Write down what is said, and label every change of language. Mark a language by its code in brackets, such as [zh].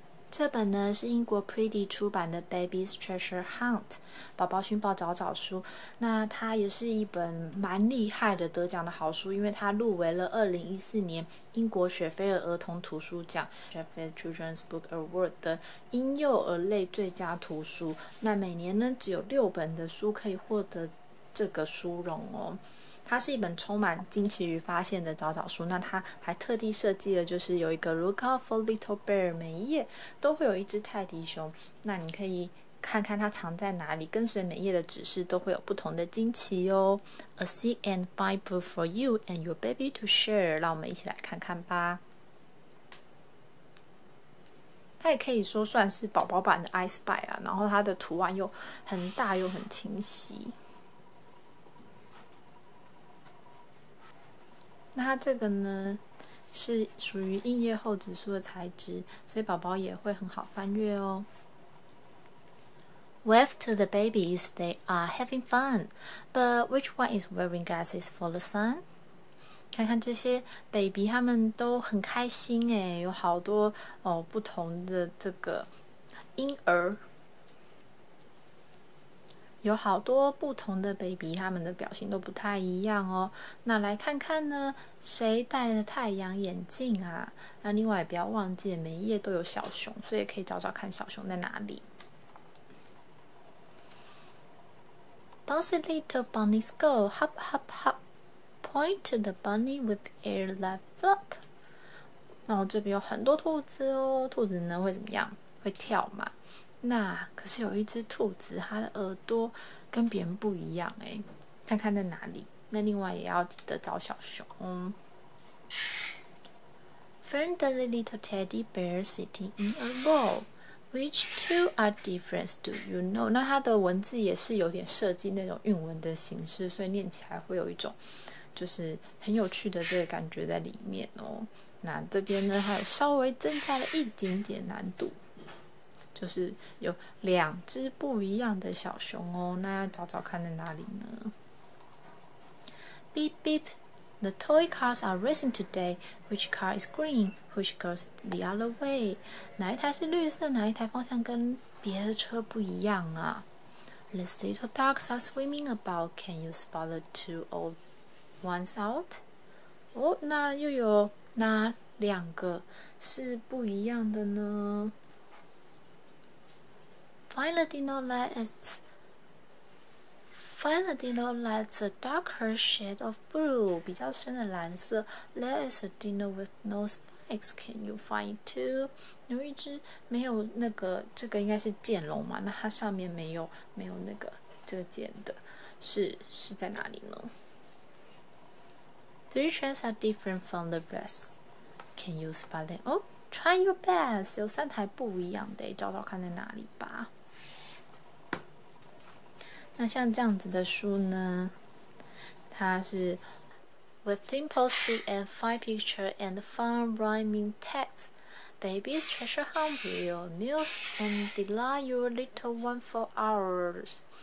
[zh] 这本呢是英国 Pretty 出版的 Baby's Treasure Hunt 宝宝寻宝找找书，那它也是一本蛮厉害的得奖的好书，因为它入围了2014年英国雪菲尔儿童图书奖 Sheffield Children's Book Award 的婴幼儿类最佳图书，那每年呢只有六本的书可以获得这个殊荣哦。它是一本充满惊奇与发现的找找书，那它还特地设计了，就是有一个 [en] Look out for little bear， [zh] 每一页都会有一只泰迪熊，那你可以看看它藏在哪里，跟随每页的指示都会有不同的惊奇哦。 [en] A see and find book for you and your baby to share， [zh] 让我们一起来看看吧。它也可以说算是宝宝版的 I Spy 啦，然后它的图案又很大又很清晰。那它这个呢是属于硬页厚纸书的材质，所以宝宝也会很好翻阅哦。 [en] Wave to the babies, they are having fun, but which one is wearing glasses for the sun? [zh] 看看这些 baby 他们都很开心耶，有好多、哦、不同的这个婴儿，有好多不同的 baby， 他们的表情都不太一样哦。那来看看呢，谁戴了太阳眼镜啊？那另外也不要忘记，每一页都有小熊，所以可以找找看小熊在哪里。 [en] Bouncy little bunnies go hop hop hop, point to the bunny with ear left flop。 [zh] 那我这边有很多兔子哦，兔子呢会怎么样？会跳嘛？那可是有一只兔子，它的耳朵跟别人不一样哎，看看在哪里。那另外也要记得找小熊。 [en] Friendly little teddy bear sitting in a bowl. Which two are different? Do you know? [zh] 那它的文字也是有点设计那种韵文的形式，所以念起来会有一种就是很有趣的这个感觉在里面哦。那这边呢，它有稍微增加了一点点难度。就是有两只不一样的小熊哦，那要找找看在哪里呢？ [en] Beep beep, the toy cars are racing today. Which car is green? Which goes the other way? [zh] 哪一台是绿色？哪一台方向跟别的车不一样啊？ [en] These little ducks are swimming about. Can you spot the two old ones out? [zh] 哦，那又有哪两个是不一样的呢？ [en] Find the dino lights a darker shade of blue, [zh] 比较深的蓝色。 [en] There is a dino with no spikes. Can you find two? [zh] 有一只没有那个，这个应该是剑龙嘛？那它上面没有那个这个剑的，是在哪里呢？ [en] Three trains are different from the rest. Can you spot them? Oh, try your best. [zh] 有三台不一样的，找找看在哪里吧。那像这样子的书呢，它是 [en] With simple see and find picture and fun rhyming text, Baby's Treasure Hunt will amuse and delight your little one for hours.